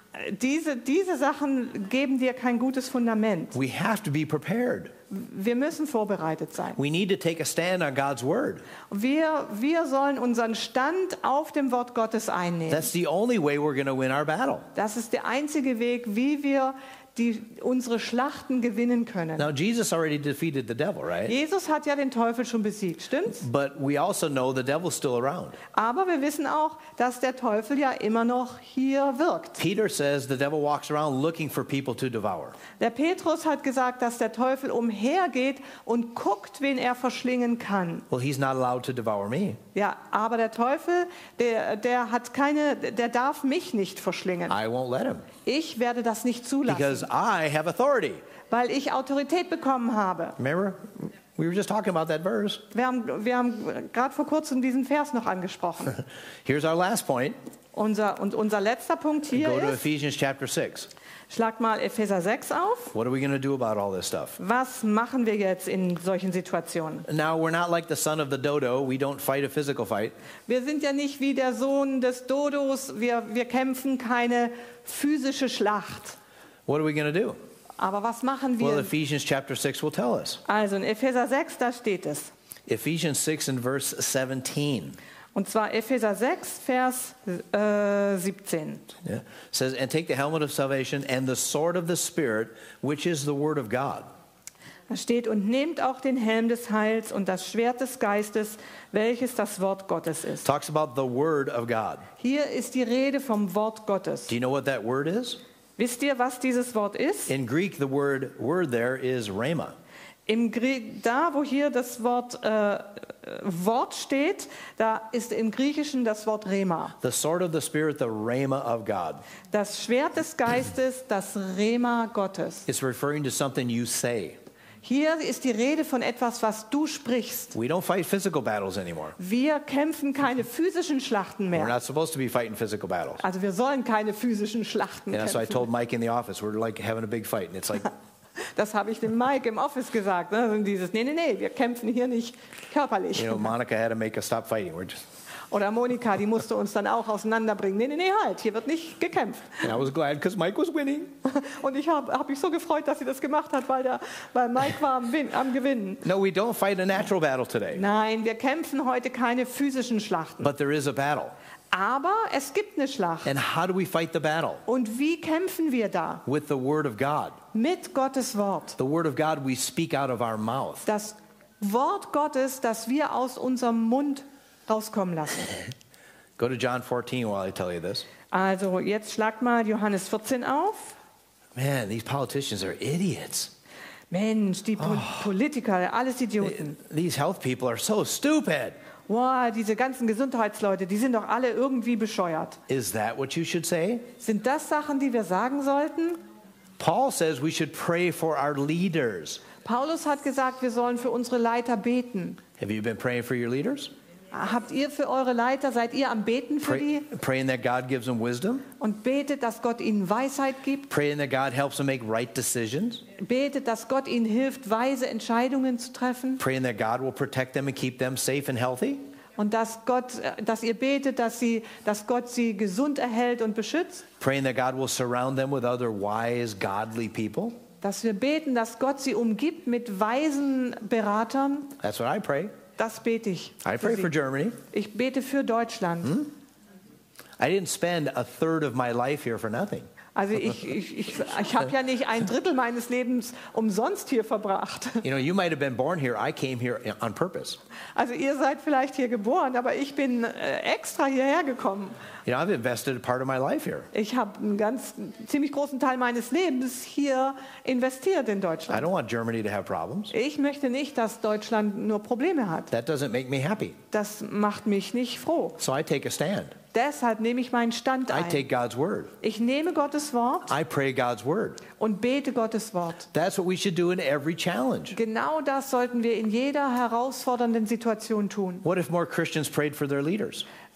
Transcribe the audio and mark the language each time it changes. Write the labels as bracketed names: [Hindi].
[German] Diese Sachen geben dir kein gutes Fundament. [English] We have to be prepared. [German] Wir müssen vorbereitet sein. [English] We need to take a stand on God's word. [German] Wir sollen unseren Stand auf dem Wort Gottes einnehmen. [English] That's the only way we're going to win our battle. [German] Das ist der einzige Weg, wie wir unsere Schlachten gewinnen können. [English] Now Jesus already defeated the devil, right? [German] Jesus hat ja den Teufel schon besiegt, stimmt's? [English] But we also know the devil's still around. [German] Aber wir wissen auch, dass der Teufel ja immer noch hier wirkt. [English] Peter says the devil walks around looking for people to devour. [German] Der Petrus hat gesagt, dass der Teufel umhergeht und guckt, wen er verschlingen kann. [English] Well, he's not allowed to devour me. [German] Ja, aber der Teufel, der darf mich nicht verschlingen. [English] I won't let him. [German] Ich werde das nicht zulassen. [English] Because I have authority. [German] Weil ich Autorität bekommen habe. [English] Remember, we were just talking about that verse. [German] Wir haben gerade vor kurzem diesen Vers noch angesprochen. [English] Here's our last point. [German] Unser letzter Punkt hier [English] go [German] ist. [English] Go to Ephesians chapter 6. [German] Schlagt mal Epheser 6 auf. [English] What are we going to do about all this stuff? [German] Was machen wir jetzt in solchen Situationen? [English] Now we're not like the son of the dodo. We don't fight a physical fight. [German] Wir sind ja nicht wie der Sohn des Dodos. Wir kämpfen keine physische Schlacht. [English] What are we going to do? [German] Aber was machen wir? [English] Well, Ephesians chapter 6 will tell us. [German] Also in Epheser 6, da steht es. [English] Ephesians 6 and verse 17. [German] Und zwar Epheser 6, Vers 17. [English] Yeah. It says, and take the helmet of salvation and the sword of the Spirit, which is the word of God. [German] Da steht, und nehmt auch den Helm des Heils und das Schwert des Geistes, welches das Wort Gottes ist. [English] Talks about the word of God. [German] Hier ist die Rede vom Wort Gottes. [English] Do you know what that word is? [German] Wisst ihr, was dieses Wort ist? [English] In Greek, the word there is rhema. [German] Im Griechen, da wo hier das Wort Wort steht, da ist im Griechischen das Wort Rhema. [English] The sword of the Spirit, the Rhema of God. [German] Das Schwert des Geistes, das Rhema Gottes. [English] It's referring to something you say. [German] Hier ist die Rede von etwas, was du sprichst. [English] We don't fight physical battles anymore. [German] Wir kämpfen keine physischen Schlachten mehr. [English] We're not supposed to be fighting physical battles. [German] Also wir sollen keine physischen Schlachten kämpfen. [English] So I told Mike in the office, we're like having a big fight, and it's like. [German] Das habe ich dem Mike im Office gesagt. Ne? Und dieses, nee, wir kämpfen hier nicht körperlich. [English] You know, Monica had to make us stop fighting. We're just. [German] Oder Monika, die musste uns dann auch auseinanderbringen. Nee, halt, hier wird nicht gekämpft. [English] And I was glad, because Mike was winning. [German] Und ich habe mich so gefreut, dass sie das gemacht hat, weil Mike war am Gewinnen. [English] No, we don't fight a natural battle today. [German] Nein, wir kämpfen heute keine physischen Schlachten. [English] But there is a battle. [German] Aber es gibt eine Schlacht. [English] And how do we fight the battle? [German] Und wie kämpfen wir da? [English] With the word of God. [German] Mit Gottes Wort. [English] The word of God we speak out of our mouth. [German] Das Wort Gottes, das wir aus unserem Mund rauskommen lassen. [English] Go to John 14 while I tell you this. [German] Also, jetzt schlag mal Johannes 14 auf. [English] Man, these politicians are idiots. [German] Mensch, die Politiker, alles Idioten. [English] These health people are so stupid. [German] Wow, diese ganzen Gesundheitsleute, die sind doch alle irgendwie bescheuert. [English] Is that what you should say? [German] Sind das Sachen, die wir sagen sollten? [English] Paul says we should pray for our leaders. [German] Paulus hat gesagt, wir sollen für unsere Leiter beten. [English] Have you been praying for your leaders? [German] Habt ihr für eure Leiter, seid ihr am Beten für die? [English] Praying that God gives them wisdom. [German] Und betet, dass Gott ihnen Weisheit gibt. [English] Praying that God helps them make right decisions. [German] Betet, dass Gott ihnen hilft, weise Entscheidungen zu treffen. [English] Praying that God will protect them and keep them safe and healthy. [German] Und dass ihr betet, dass Gott sie gesund erhält und beschützt. [English] Praying that God will surround them with other wise, godly people. [German] Dass wir beten, dass Gott sie umgibt mit weisen Beratern. [English] That's what I pray. [German] Das bete ich. [English] I pray for Germany. [German] Ich bete für Deutschland. Hmm? [English] I didn't spend a third of my life here for nothing. [German] Also ich habe ja nicht ein Drittel meines Lebens umsonst hier verbracht. [English] You know, you might have been born here. I came here on purpose. [German] Also ihr seid vielleicht hier geboren, aber ich bin extra hierher gekommen. [English] You know, I've invested part of my life here. [German] Ich habe einen ganz ziemlich großen Teil meines Lebens hier investiert in Deutschland. [English] I don't want Germany to have problems. [German] Ich möchte nicht, dass Deutschland nur Probleme hat. [English] That doesn't make me happy. [German] Das macht mich nicht froh. [English] So I take a stand. [German] Deshalb nehme ich meinen Stand ein. [English] I take God's word. [German] Ich nehme Gottes Wort. [English] I pray God's word. [German] Und bete Gottes Wort. [English] That's what we should do in every challenge. [German] Genau das sollten wir in jeder herausfordernden Situation tun. [English] What if more Christians prayed for their leaders?